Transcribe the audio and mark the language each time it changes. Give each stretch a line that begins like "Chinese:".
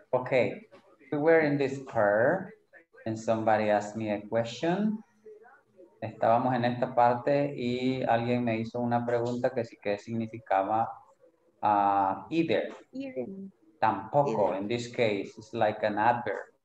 English: Okay, we were in this car and somebody asked me a question.
Spanish: Estábamos en esta parte y alguien me hizo una pregunta que sí que significaba either.
English: Tampoco, either. In this case, it's like an adverb.